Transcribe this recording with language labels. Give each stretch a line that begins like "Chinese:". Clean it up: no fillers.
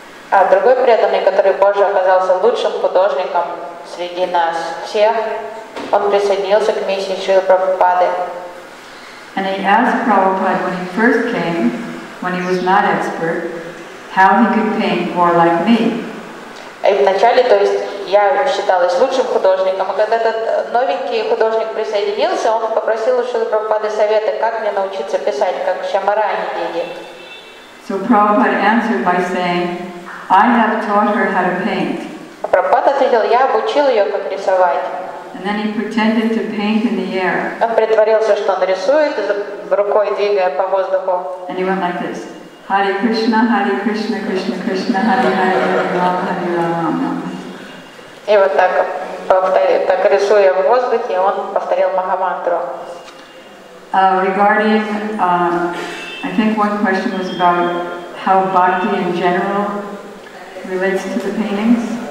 Russian: А другой преданный, который позже оказался лучшим художником среди нас всех, он присоединился к миссии Шрилы Прабхупады.
English: And he asked Prabhupada when he first came, when he was not expert, how he could paint more like me.
Russian: И вначале, то есть я считалась лучшим художником, а когда этот новенький художник присоединился, он попросил у Шрилы Прабхупады советы, как мне научиться писать, как Шамарани Деви.
English: So Prabhupada answered by saying, I have taught her how to paint.
Russian: А Прабхупада ответил, я обучил ее, как рисовать.
English: And then he pretended to paint in the air.
Russian: Он притворился, что он рисует, рукой двигая по воздуху.
English: And he went like this. Hare Krishna, Hare Krishna, Krishna Krishna, Hare Hare, Hare Ram, Hare Ram, Ram.
Russian: И вот так повторил, так рисуя в воздухе, он повторил Махамантру.
English: Regarding, I think one question was about how bhakti in general relates to the paintings.